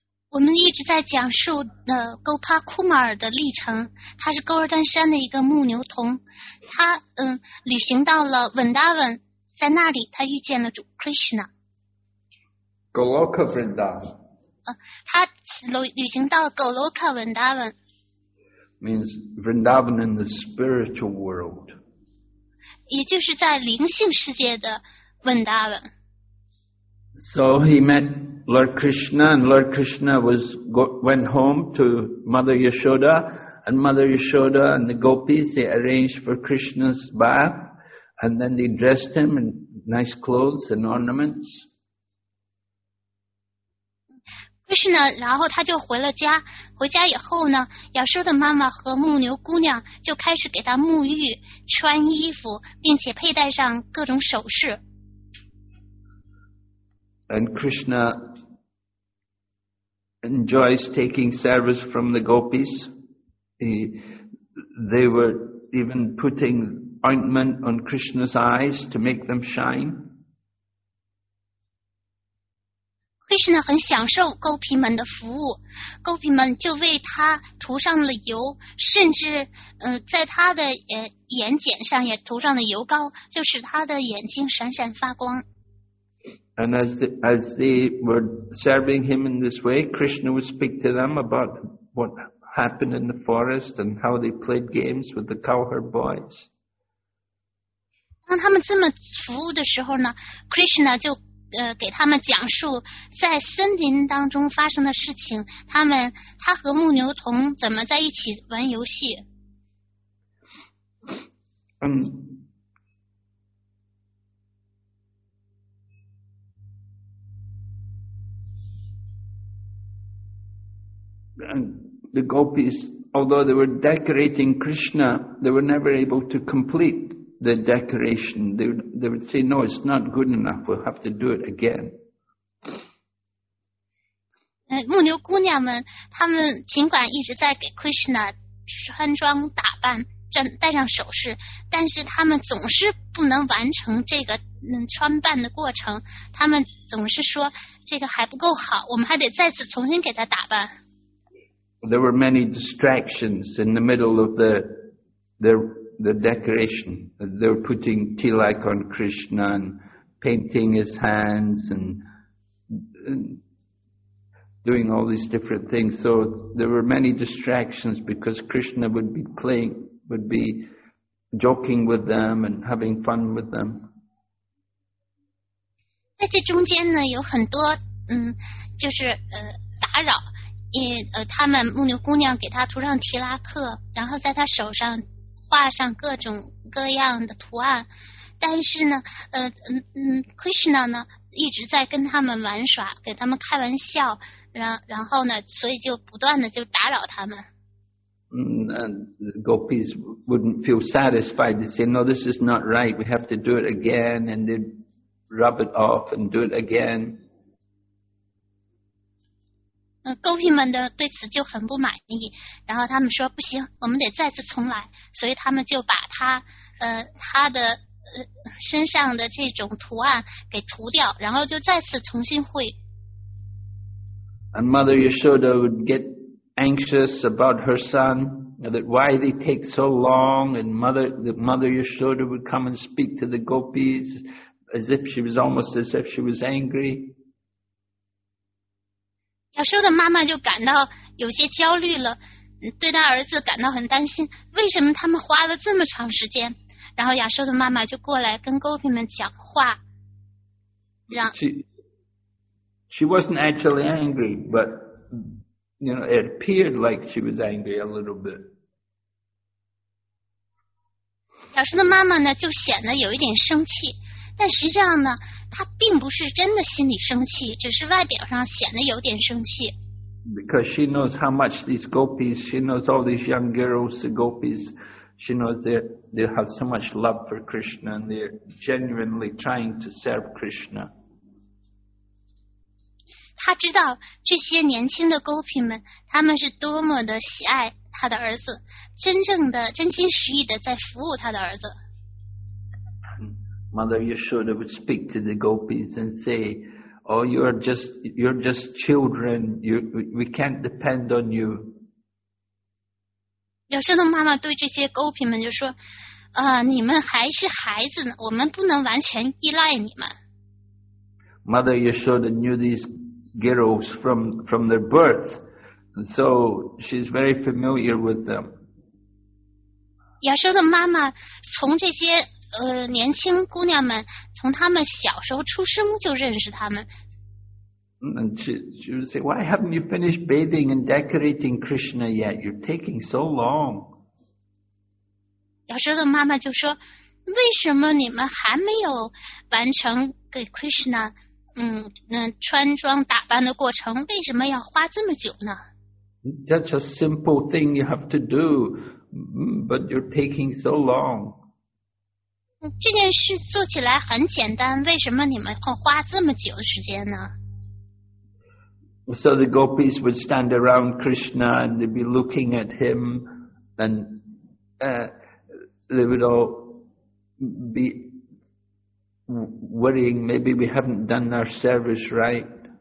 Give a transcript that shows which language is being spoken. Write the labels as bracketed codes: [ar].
[zh] 我们一直在讲述Gopa Kumar 的历程，他是高尔丹山的一个牧牛童，他旅行到了 Vrindavan， 在那里他遇见了主 Krishna. [en] Goloka Vrindavan. [zh] 他旅行到狗罗克文达文 [en] means Vrindavan in the spiritual world [zh] 也就是在灵性世界的文达文 [en] so he met Lord Krishna and Lord Krishna went home to Mother Yashoda and Mother Yashoda and the gopis they arranged for Krishna's bath and then they dressed him in nice clothes and ornaments [zh] Krishna 然后他就回了家回家以后呢要说的妈妈和牧牛姑娘就开始给他沐浴穿衣服并且佩戴上各种首饰 [en] And Krishna enjoys taking service from the gopis they were even putting ointment on Krishna's eyes to make them shine [zh] Krishna 很享受勾皮们的服务勾皮们就为他涂上了油甚至在他的眼睑上也涂上了油膏就使他的眼睛闪闪发光 [en] And as they were serving him in this way Krishna would speak to them about what happened in the forest and how they played games with the cowherd boys [zh] 当他们这么服务的时候呢 Krishna 就给他们讲述在森林当中发生的事情他和牧牛童怎么在一起玩游戏 [en] And the gopis although they were decorating Krishna they were never able to completeThe decoration, they would say, no, it's not good enough, we'll have to do it again. [zh] 牧牛姑娘们，她们尽管一直在给 Krishna 穿装打扮，戴上首饰，但是他们总是不能完成这个穿扮的过程，他们总是说这个还不够好，我们还得再次重新给他打扮。 [en] There were many distractions in the middle of the decoration. They were putting tilak on Krishna and painting his hands and doing all these different things. So there were many distractions because Krishna would be playing, would be joking with them and having fun with them. [zh] 在这中间呢，有很多就是打扰。他们牧牛姑娘给他涂上提拉克，然后在他手上画上各种各样的图案。但是呢，Krishna 呢一直在跟他们玩耍，给他们开玩笑。然后呢，所以就不断的就打扰他们。 [en] The gopis wouldn't feel satisfied. They say, "No, this is not right. We have to do it again." And they rub it off and do it again. [zh] 勾屁们的对此就很不满意，然后他们说不行，我们得再次重来，所以他们就把他的身上的这种图案给涂掉，然后就再次重新绘。 [en] And Mother Yashoda would get anxious about her son, that why they take so long, and Mother Yashoda would come and speak to the gopis as if she was almost as if she was angry. [zh] 小时候的妈妈就感到有些焦虑了，对她儿子感到很担心，为什么他们花了这么长时间，然后小时候的妈妈就过来跟勾屁们讲话。 [en] She wasn't actually angry, but you know, it appeared like she was angry a little bit. [zh] 小时候的妈妈呢就显得有一点生气，但实际上呢他并不是真的心里生气，只是外表上显得有点生气。 [en] Because she knows how much these gopis, she knows all these young girls, the gopis, she knows they have so much love for Krishna and they're genuinely trying to serve Krishna. [zh] 他知道这些年轻的 gopi 们，他们是多么的喜爱他的儿子，真正的真心实意的在服务他的儿子。 [en] Mother Yashoda would speak to the gopis and say, "Oh, you're just children. We can't depend on you." [zh] Yashoda's 妈妈对这些 gopi 们就说，你们还是孩子呢，我们不能完全依赖你们。 [en] Mother Yashoda knew these girls from their birth, and so she's very familiar with them. [zh] Yashoda's 妈妈从这些年轻姑娘们从她们小时候出生就认识她们。 [en] And she would say, "Why haven't you finished bathing and decorating Krishna yet? You're taking so long." [zh] 小时候的妈妈就说，为什么你们还没有完成给 Krishna 穿装打扮的过程，为什么要花这么久呢？ [en] That's a simple thing you have to do, but you're taking so long. [zh] 这件事做起来很简单，为什么你们会花这么久的时间呢？ [en] So the gopis would stand around Krishna and they'd be looking at him and they would all be worrying, maybe we haven't done our service right.